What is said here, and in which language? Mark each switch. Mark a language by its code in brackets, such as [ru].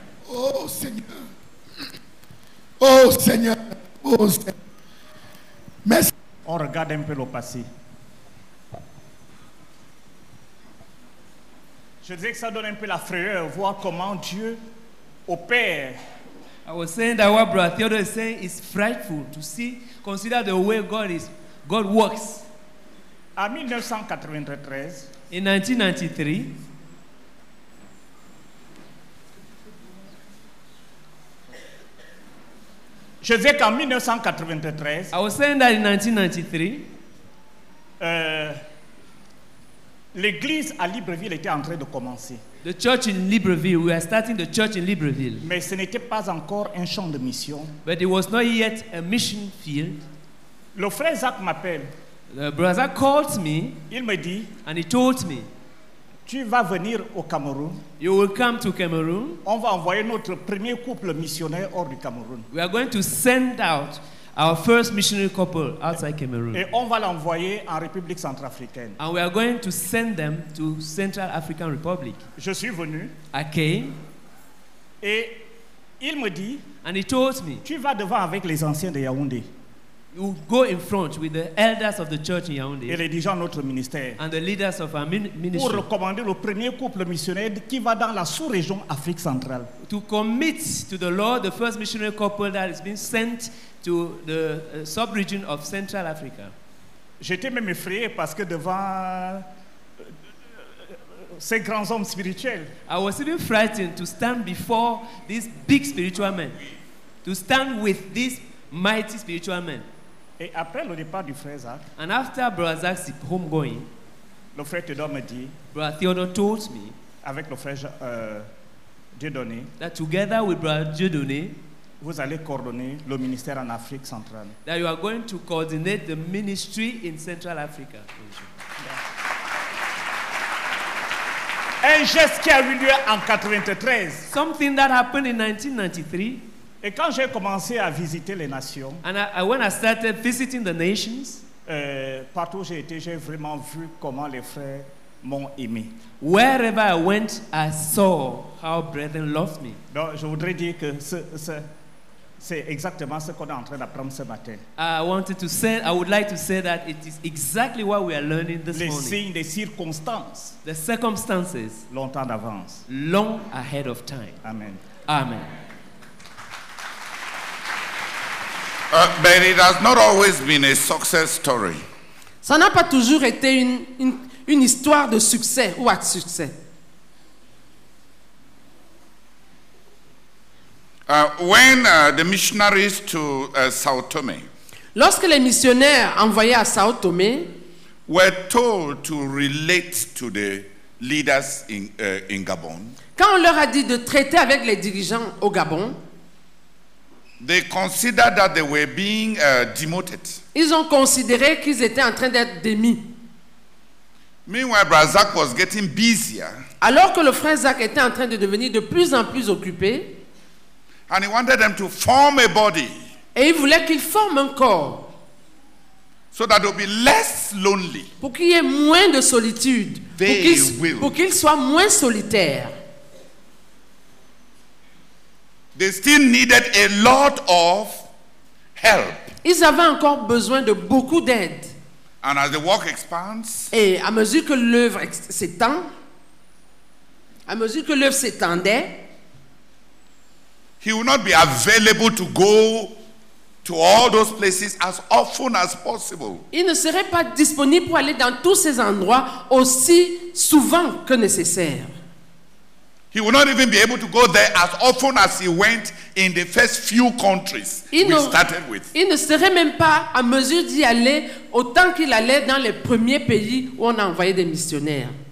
[fr] Oh Seigneur, oh Seigneur, oh Seigneur. Merci. On regarde un peu le passé. Je disais que ça donne un peu la frayeur, voir comment Dieu opère. [en] I was saying that what Brother Theodore is saying is frightful to see, consider the way God works. [fr] En 1993, [en] in 1993, [fr] je disais qu'en 1993, [en] I was saying that in 1993, [fr] l'église à Libreville était en train de commencer. [en] The church in Libreville, we are starting the church in Libreville. [fr] Mais ce n'était pas encore un champ de mission. [en] But it was not yet a mission field. [fr] Le frère Zach m'appelle. [en] The brother called me. [fr] Il me dit, [en] and he told me, [fr] tu vas venir au Cameroun. [en] You will come to Cameroon. [fr] On va envoyer notre premier couple missionnaire hors du Cameroun. [en] We are going to send out our first missionary couple outside Cameroon. [fr] Et on va l'envoyer en République centrafricaine. [en] And we are going to send them to Central African Republic. [fr] Je suis venu. [en] I came. [fr] Et il me dit, [en] and he told me, [fr] tu vas devant avec les anciens de Yaoundé. [en] You go in front with the elders of the church in Yaoundé. [fr] Et les dirigeants de notre ministère. [en] And the leaders of our ministry. [fr] Pour recommander le premier couple missionnaire qui va dans la sous-région Afrique centrale. [en] To commit to the Lord the first missionary couple that has been sent to the sub-region of Central Africa. [fr] J'étais même effrayé parce que devant ces grands hommes spirituels. [en] I was even frightened to stand before these big spiritual men. To stand with these mighty spiritual men. [fr] Et après le départ du frère Zach, [en] and after Brother Zach's home going, [fr] le frère Theodore me dit, [en] Brother Theodore told me, [fr] avec le frère Dieudonné, [en] that together with Brother Dieudonné, [fr] vous allez coordonner le ministère en Afrique centrale. [en] That you are going to coordinate the ministry in Central Africa. Yeah. [fr] Un geste qui a eu lieu en 93. [en] Something that happened in 1993. [fr] Et quand j'ai commencé à visiter les nations, [en] and when I started visiting the nations, [fr] partout où j'ai été, j'ai vraiment vu comment les frères m'ont aimé. [en] Wherever I went, I saw how brethren loved me. [fr] Donc, je voudrais dire que c'est exactement ce qu'on est en train d'apprendre ce matin. [en] I would like to say that it is exactly what we are learning this [fr] les [en] morning. [fr] Les signes, les circonstances. [en] The circumstances. [fr] Longtemps d'avance. [en] Long ahead of time. Amen. Amen. But it has not always been a success story. [fr] Ça n'a pas toujours été une histoire de succès ou à succès. [en] When the missionaries to Sao Tome, [fr] lorsque les missionnaires envoyés à Sao Tome, [en] were told to relate to the leaders in Gabon, [fr] quand on leur a dit de traiter avec les dirigeants au Gabon, [en] they considered that they were being demoted. [fr] Ils ont considéré qu'ils étaient en train d'être démis. [en] Meanwhile, Brother Zach was getting busier. [fr] Alors que le frère Zach était en train de devenir de plus en plus occupé. [en] And he wanted them to form a body. [fr] Et il voulait qu'il forme un corps. [en] So that it'll be less lonely. [fr] Pour qu'il y ait moins de solitude. Pour qu'il soit moins solitaire. [en] They still needed a lot of help. [fr] Ils avaient encore besoin de beaucoup d'aide. [en] And as the work expands, [fr] et à mesure que l'œuvre s'étend, à mesure que l'œuvre s'étendait, [en] he will not be available to go to all those places as often as possible. [fr] Il ne serait pas disponible pour aller dans tous ces endroits aussi souvent que nécessaire. [en] He will not even be able to go there as often as he went in the first few countries we started with. [fr] Il ne serait même pas à mesure d'y aller autant qu'il allait dans les premiers pays où on a envoyé des missionnaires.